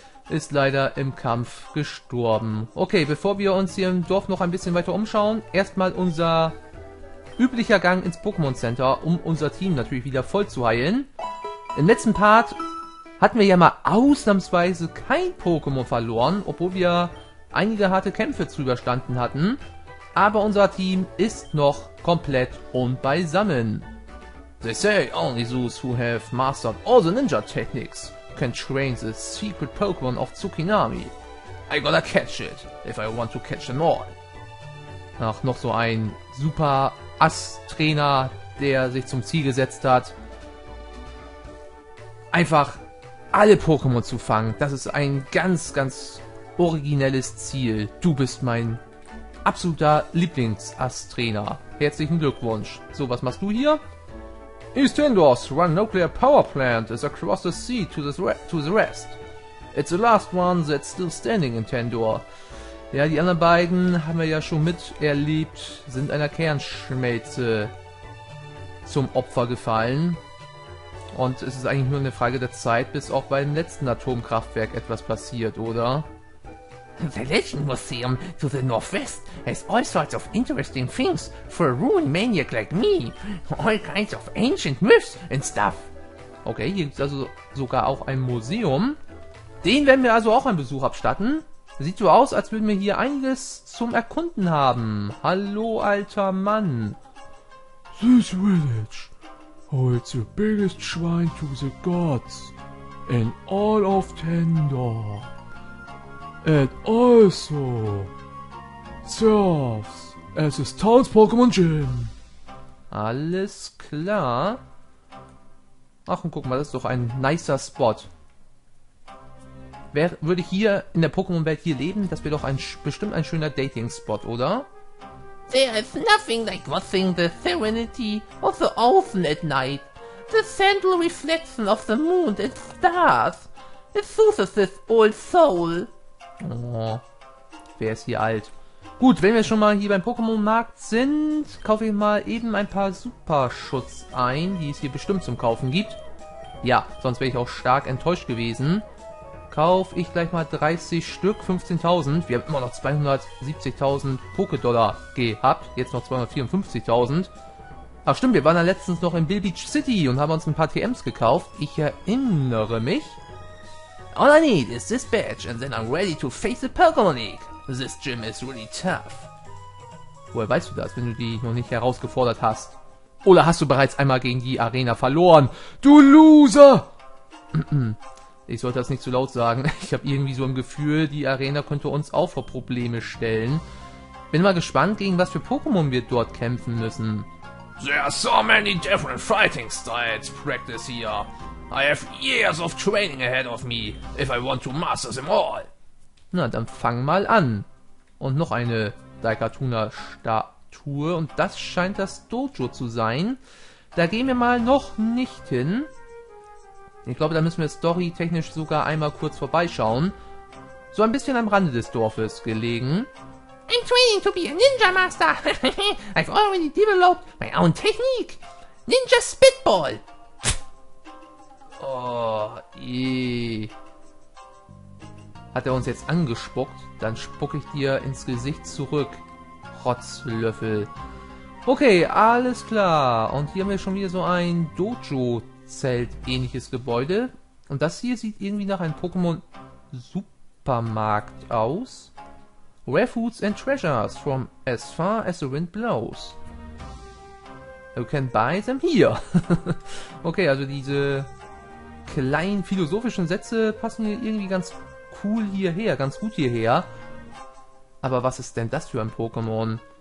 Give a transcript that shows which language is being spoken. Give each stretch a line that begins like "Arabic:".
German: Ist leider im Kampf gestorben. Okay, bevor wir uns hier im Dorf noch ein bisschen weiter umschauen, erstmal unser üblicher Gang ins Pokémon Center, um unser Team natürlich wieder voll zu heilen. Im letzten Part hatten wir ja mal ausnahmsweise kein Pokémon verloren, obwohl wir einige harte Kämpfe zu überstanden hatten. Aber unser Team ist noch komplett und beisammen.
English: They say only those who have mastered all the ninja techniques can train the secret Pokémon of Tsukinami. I gotta catch it, if I want to catch them all.
German: Ach, noch so ein super Ass-Trainer, der sich zum Ziel gesetzt hat, einfach alle Pokémon zu fangen. Das ist ein ganz, ganz originelles Ziel. Du bist mein absoluter Lieblings-Ass-Trainer. Herzlichen Glückwunsch. So, was machst du hier?
English: East Indoors, one nuclear power plant is across the sea to the rest. It's the last one that's still standing in Tendor.
German: Ja, die anderen beiden haben wir ja schon miterlebt, sind einer Kernschmelze zum Opfer gefallen. Und es ist eigentlich nur eine Frage der Zeit, bis auch beim letzten Atomkraftwerk etwas passiert, oder?
English: The Legend Museum to the Northwest has all sorts of interesting things for a ruined maniac like me. All kinds of ancient myths and stuff.
German: Okay, hier gibt es also sogar auch ein Museum. Den werden wir also auch einen Besuch abstatten. Sieht so aus, als würden wir hier einiges zum Erkunden haben. Hallo, alter Mann.
English: This village holds the biggest shrine to the gods in all of Tendor. It also serves as his town's Pokémon Gym.
German: Alles klar. Ach, und guck mal, das ist doch ein nicer Spot. Wer würde hier in der Pokémon-Welt hier leben? Das wäre doch bestimmt ein schöner Dating-Spot, oder?
English: There is nothing like watching the serenity of the ocean at night. The gentle reflection of the moon and stars. It soothes this old soul.
German: Oh, wer ist hier alt? Gut, wenn wir schon mal hier beim Pokémon-Markt sind, kaufe ich mal eben ein paar Superschutz ein, die es hier bestimmt zum Kaufen gibt. Ja, sonst wäre ich auch stark enttäuscht gewesen. Kaufe ich gleich mal 30 Stück, 15.000. Wir haben immer noch 270.000 Poké-Dollar gehabt, jetzt noch 254.000. Ach stimmt, wir waren ja letztens noch in Bill Beach City und haben uns ein paar TMs gekauft. Ich erinnere mich.
English: All I need is this badge and then I'm ready to face the Pokémon League. This gym is really tough.
German: Woher weißt du das, wenn du die noch nicht herausgefordert hast? Oder hast du bereits einmal gegen die Arena verloren? Du Loser! Ich sollte das nicht zu laut sagen. Ich habe irgendwie so ein Gefühl, die Arena könnte uns auch vor Probleme stellen. Bin mal gespannt, gegen was für Pokémon wir dort kämpfen müssen.
English: There are so many different fighting styles practiced here. I have years of training ahead of me, if I want to master them all.
German: Na, dann fang mal an. Und noch eine Daikatuna-Statue. Und das scheint das Dojo zu sein. Da gehen wir mal noch nicht hin. Ich glaube, da müssen wir storytechnisch sogar einmal kurz vorbeischauen. So ein bisschen am Rande des Dorfes gelegen.
English: I'm training to be a Ninja Master. I've already developed my own technique. Ninja Spitball.
German: Oh, eh. Hat er uns jetzt angespuckt? Dann spucke ich dir ins Gesicht zurück. Rotzlöffel. Okay, alles klar. Und hier haben wir schon wieder so ein Dojo-Zelt-ähnliches Gebäude. Und das hier sieht irgendwie nach einem Pokémon-Supermarkt aus.
English: Rare Foods and Treasures from as far as the wind blows. You can buy them here.
German: Okay, also diese kleinen philosophischen Sätze passen hier irgendwie ganz cool hierher, ganz gut hierher. Aber was ist denn das für ein Pokémon?